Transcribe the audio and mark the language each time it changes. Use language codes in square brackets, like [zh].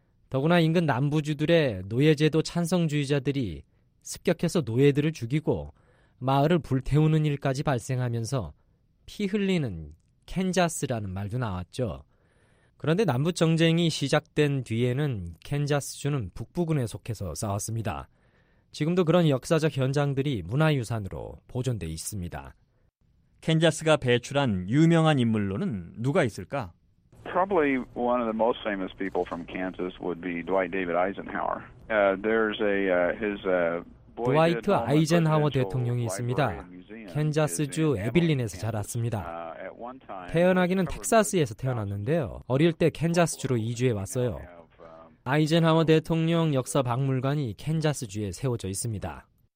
[ko] 더구나 인근 남부주들의 노예제도 찬성주의자들이 습격해서 노예들을 죽이고 마을을 불태우는 일까지 발생하면서 피 흘리는 캔자스라는 말도 나왔죠. 그런데 남북전쟁이 시작된 뒤에는 캔자스주는 북부군에 속해서 싸웠습니다. 지금도 그런 역사적 현장들이 문화유산으로 보존되어 있습니다. 캔자스가 배출한 유명한 인물로는 누가 있을까? [en] Probably one of the most famous people from Kansas would be Dwight David Eisenhower. [ko] Dwight Eisenhower 대통령이 있습니다. 캔자스주 에빌린에서 자랐습니다. 태어나기는 텍사스에서 태어났는데요. 어릴 때 캔자스주로 이주해 왔어요. 아이젠하워 대통령 역사 박물관이 캔자스주에 세워져 있습니다.